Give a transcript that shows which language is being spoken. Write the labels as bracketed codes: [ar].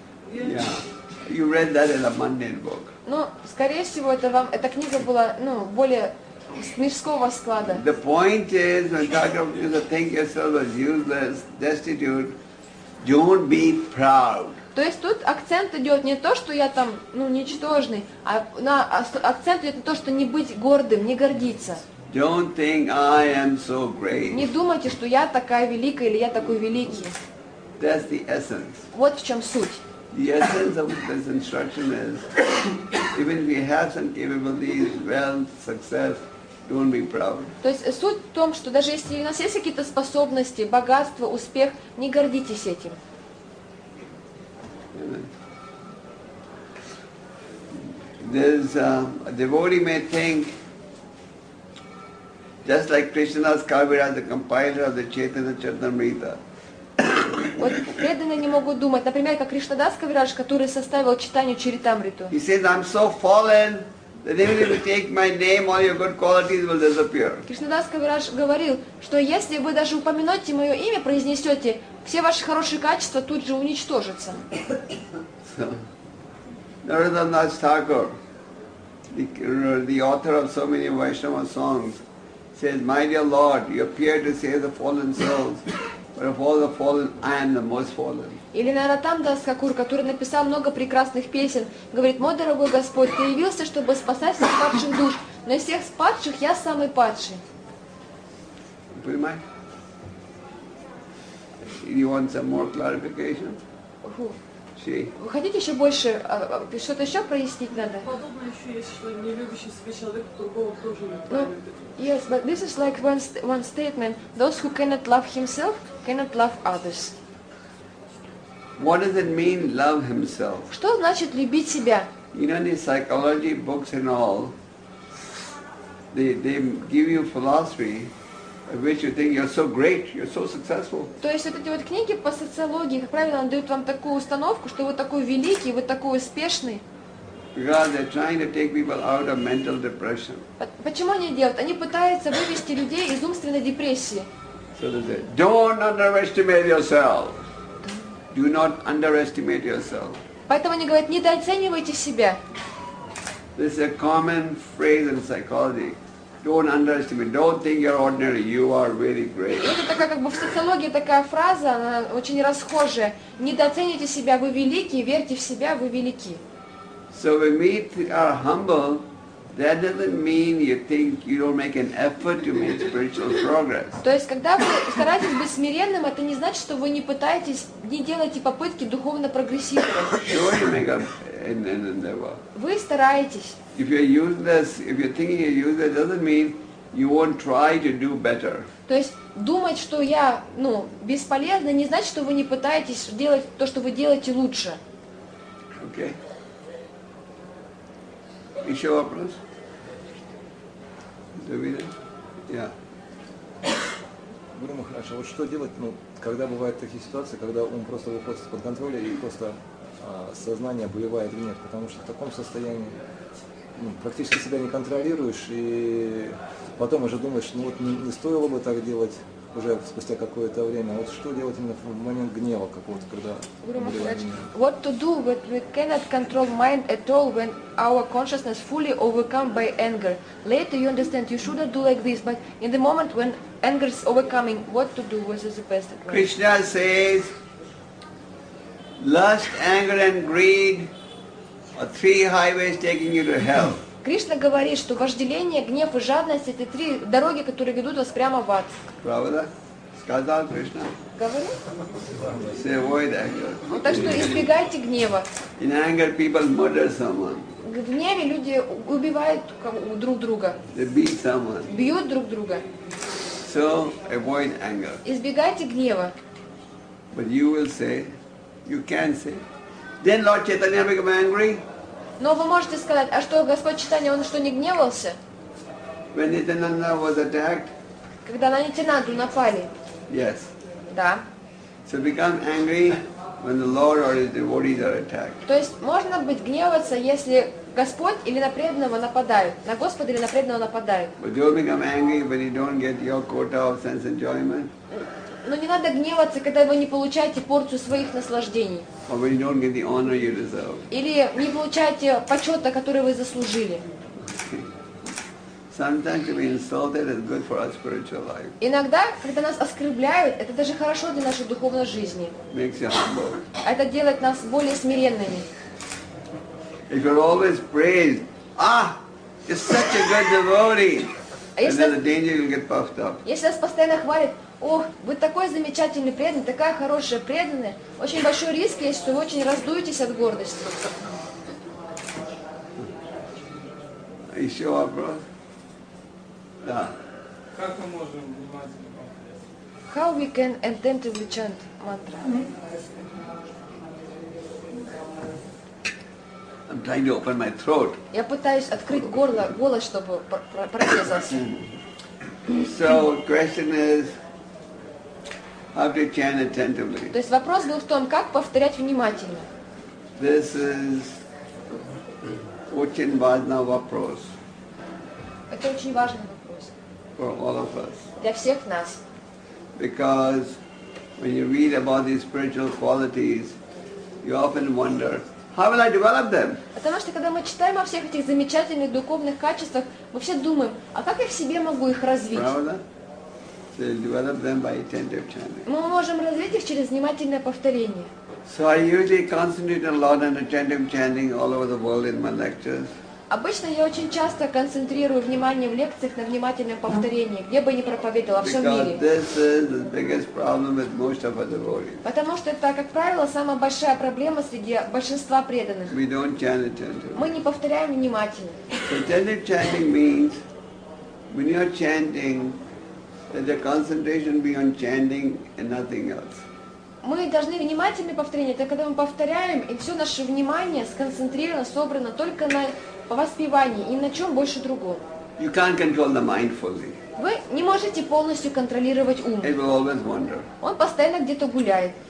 [en] Yeah, you read that in a mundane book. [ru] Ну, скорее всего, это вам эта книга была, ну, более мирского склада. [en] The point is, when you think yourself as useless, destitute, don't be proud. [ru] То есть тут акцент идет не то, что я там, ну, ничтожный, а на акцент идет на то, что не быть гордым, не гордиться. [en] Don't think I am so great. [ru] Не думайте, что я такая великая или я такой великий. [en] That's the essence. [ru] Вот в чем суть. [en] The essence of this instruction is, even if you have some capabilities, wealth, success, don't be proud. [ru] То есть суть в том, что даже если у нас есть какие-то способности, богатство, успех, не гордитесь этим. [en] There's a devotee may think, just like Krishnadas Kaviraj, the compiler of the Chaitanya Charitamrita. [ru] Вот преданные не могут думать, например, как Кришнадас Кавираш, который составил читанию Чаритамриту. [en] He says, I'm so fallen that even if you take my name, all your good qualities will disappear. [ru] Кришнадас Кавираш говорил, что если вы даже упомянете мое имя, произнесете, все ваши хорошие качества тут же уничтожатся. [en] Narottamdas Thakur, the author of so many Vaishnava songs, says, my dear Lord, you appear to save the fallen souls. But of all the fallen, I am the most fallen. [ru] Или Наратамдас Хакур, который написал много прекрасных песен, говорит, мой дорогой Господь, ты явился, чтобы спасать всех падших душ, но из всех падших я самый падший. Понимаете? [en] You want some more clarification? [ru] Вы хотите еще больше, что-то еще прояснить надо? Подобно еще есть, что не любящий себя человек другого тоже не правит. [en] Yes, but this is like one statement. Those who cannot love himself, cannot love others. What does it mean, love himself? [ru] Что значит любить себя? [en] You know, in the psychology books and all, they give you philosophy. I wish you think you're so great, you're so successful. [ru] То есть вот эти вот книги по социологии, как правило, дают вам такую установку, что вы такой великий, вы такой успешный. [en] Because they're trying to take people out of mental depression. [ru] Почему они делают? Они пытаются вывести людей из умственной депрессии. [en] So they say, don't underestimate yourself. Do not underestimate yourself. [ru] Поэтому они говорят, недооценивайте себя. [en] This is a common phrase in psychology. Don't underestimate. Don't think you're ordinary. You are really great. [ru] Это такая как бы в социологии такая фраза, она очень расхожая. Недооцените себя, вы великие. Верьте в себя, вы велики. [en] So when we are humble, that doesn't mean you think you don't make an effort to make spiritual progress. [ru] То есть когда вы стараетесь быть смиренным, это не значит, что вы не пытаетесь, не делаете попытки духовно прогрессировать. [en] Sure, you make an endeavor. [ru] Вы стараетесь. [en] If you're useless, if you're thinking you're useless, doesn't mean you won't try to do better. [ru] То есть думать, что я, ну, бесполезна, не значит, что вы не пытаетесь делать то, что вы делаете лучше. [en] Okay. [ru] Еще вопрос? Давида? [en] Yeah. [ru] Гуру Махарадж, а вот что делать, ну, когда бывают такие ситуации, когда ум просто выходит из-под контроля и просто сознание боевает или нет, потому что в таком состоянии практически себя не контролируешь, и потом уже думаешь, ну вот не стоило бы так делать уже спустя какое-то время. Вот что делать именно в момент гнева какого-то, когда... [en] What to do when we cannot control mind at all, when our consciousness fully overcome by anger? Later you understand, you shouldn't do like this, but in the moment when anger is overcoming, what to do, what is the best advice? Krishna says, lust, anger and greed, three highways taking you to hell. [ru] Кришна говорит, что вожделение, гнев и жадность — это три дороги, которые ведут вас прямо в ад. Правда? Сказал Кришна. Говорит? [en] Say avoid anger. [ru] Ну, так что избегайте гнева. [en] In anger people murder someone. [ru] В гневе люди убивают друг друга. [en] They beat someone. [ru] Бьют друг друга. [en] So avoid anger. [ru] Избегайте гнева. [en] But you will say, you can say. Then Lord Chaitanya became angry. [ru] Но вы можете сказать, а что, Господь Чайтанья, он что, не гневался? [en] When Nityananda was attacked. [ru] Когда на Нитянанду напали. [en] Yes. [ru] Да. [en] So become angry. when the Lord or his devotees are attacked. [ru] То есть можно быть гневаться, если Господь или на преданного нападают, на Господа или на преданного нападают. [en] But don't become angry when you don't get your quota of sense enjoyment. [ru] Но не надо гневаться, когда вы не получаете порцию своих наслаждений. [en] Or when you don't get the honor you deserve. [ru] Или не получаете почета, который вы заслужили. [en] Sometimes to be insulted is good for our spiritual life. [ru] Иногда, когда нас оскорбляют, это даже хорошо для нашей духовной жизни. [en] Makes you humble. [ru] Это делает нас более смиренными. [en] If you're always praised, you're such a good devotee, then the danger you'll get puffed up. [ru] Если нас постоянно хвалят, ох, вы такой замечательный преданный, такая хорошая преданная, очень большой риск есть, что вы очень раздуетесь от гордости. Еще вопрос? Да. Как мы можем внимательно? [en] How we can attentively chant mantra? I'm trying to open my throat. [ru] Я пытаюсь открыть горло, голос, чтобы прорезался. [en] So question is, how to chant attentively? [ru] То есть вопрос был в том, как повторять внимательно. [en] This is [ru] очень важный вопрос. Это очень важный вопрос. [en] For all of us. [ru] Для всех нас. [en] Because when you read about these spiritual qualities, you often wonder, how will I develop them? [ru] Потому что когда мы читаем о всех этих замечательных духовных качествах, мы все думаем, а как я в себе могу их развить? Правда? [en] So you develop them by attentive chanting. [ru] Мы можем развить их через внимательное повторение. [en] So I usually concentrate a lot on attentive chanting all over the world in my lectures. [ru] Обычно я очень часто концентрирую внимание в лекциях на внимательном повторении, где бы ни проповедовала, во всем мире. Потому что это, как правило, самая большая проблема среди большинства преданных. [en] We don't chant attentively. [ru] Мы не повторяем внимательно. [en] Attentive chanting means when you're chanting, that the concentration be on chanting and nothing else. [ru] Мы должны внимательно повторять, это когда мы повторяем, и все наше внимание сконцентрировано, собрано только на воспевании и на чем больше другом. [en] You can't control the mind fully. [ru] Вы не можете полностью контролировать ум. [en] It will always wander. [ru] Он постоянно где-то гуляет.